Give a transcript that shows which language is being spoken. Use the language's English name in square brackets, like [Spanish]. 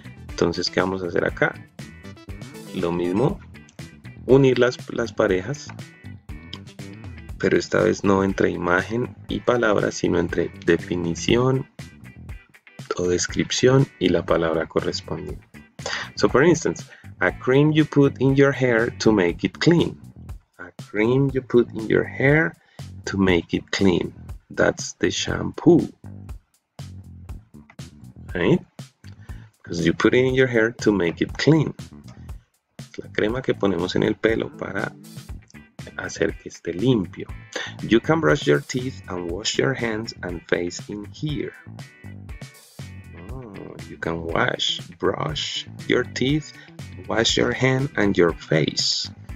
[Spanish] Entonces, ¿qué vamos a hacer acá? Lo mismo, unir las parejas, pero esta vez no entre imagen y palabra, sino entre definición o descripción y la palabra correspondiente. [English] So for instance, a cream you put in your hair to make it clean. A cream you put in your hair to make it clean. That's the shampoo. Right? Because you put it in your hair to make it clean. [Spanish] La crema que ponemos en el pelo para hacer que esté limpio. [English] You can brush your teeth and wash your hands and face in here. You can wash, brush your teeth, wash your hand and your face.